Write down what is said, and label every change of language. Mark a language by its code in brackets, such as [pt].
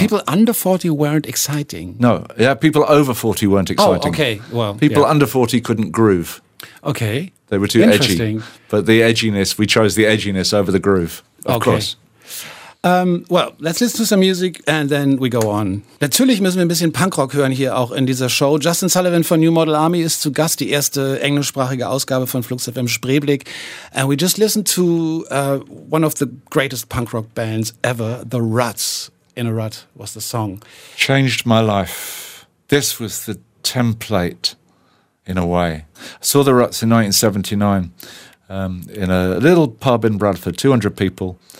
[en] People under 40 weren't exciting. No, yeah, people over 40 weren't exciting. Oh, okay, well, people under 40 couldn't groove. Okay, they were too edgy. But the edginess, we chose the edginess over the groove, of course. Well, let's listen to some music and then we go on. [de] Natürlich müssen wir ein bisschen Punkrock hören hier auch in dieser Show. Justin Sullivan von New Model Army ist zu Gast, die erste englischsprachige Ausgabe von Flux FM Spreeblick. [en] And we just listened to one of the greatest Punkrock bands ever, The Ruts. In a Rut was the song. Changed my life. This was the template in a way. I saw The Ruts in 1979 in a little pub in Bradford, 200 people.